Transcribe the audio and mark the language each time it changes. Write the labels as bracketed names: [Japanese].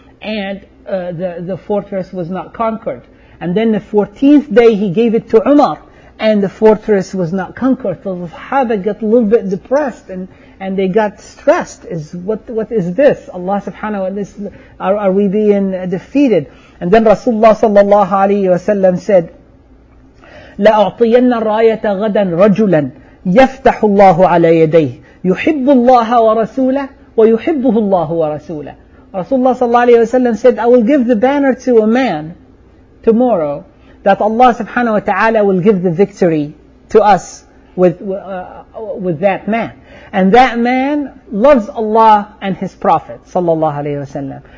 [English] And the fortress was not conquered. And then the 14th day he gave it to Umar, and the fortress was not conquered. So the Sahaba got a little bit depressed and they got stressed. What is this? Allah subhanahu wa ta'ala, are we being defeated? And then Rasulullah sallallahu alayhi wa sallam said, [Arabic] لَأَعْطِيَنَّ الرَّايَةَ غَدًا رَجُلًا يَفْتَحُ اللَّهُ عَلَى يَدَيْهِ يُحِبُّ اللَّهَ وَرَسُولَهُ وَيُحِبُّهُ اللَّهُ وَرَسُولَهُ. [English] Rasulullah sallallahu alayhi wa sallam said, "I will give the banner to a man tomorrow that Allah subhanahu wa ta'ala will give the victory to us with that man. And that man loves Allah and his Prophet sallallahu alayhi wa sallam.